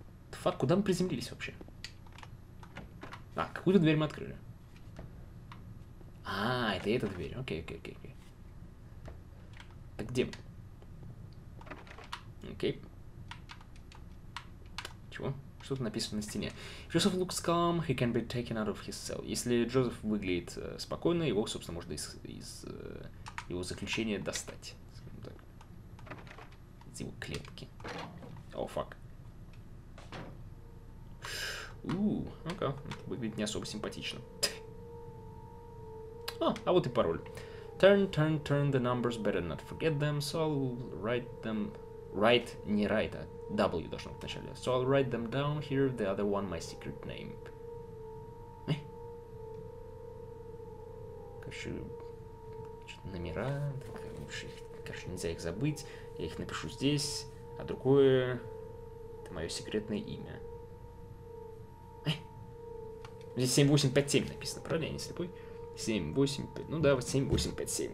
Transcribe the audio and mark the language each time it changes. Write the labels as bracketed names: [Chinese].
[Russian] Фак, куда мы приземлились вообще? А, какую-то дверь мы открыли. А, это и эта дверь. Окей. Так где? Окей. Чего? Что-то написано на стене. [English] If Joseph looks calm, he can be taken out of his cell. [Russian] Если Джозеф выглядит спокойно, его, собственно, можно из его заключения достать. Скажем так. Из его клетки. О, фак. Окей. Выглядит не особо симпатично. А вот и пароль. [English] Turn the numbers, better not forget them, so I'll write them... [Russian] Write, не write, а W должно быть вначале. [English] So I'll write them down here, the other one, my secret name. [Russian] Короче, что-то номера, короче, нельзя их забыть. Я их напишу здесь, а другое... Это мое секретное имя. Здесь 7857 написано, правда? Я не слепой. 7, 8, 5. Ну да, 7, 8, 5, 7.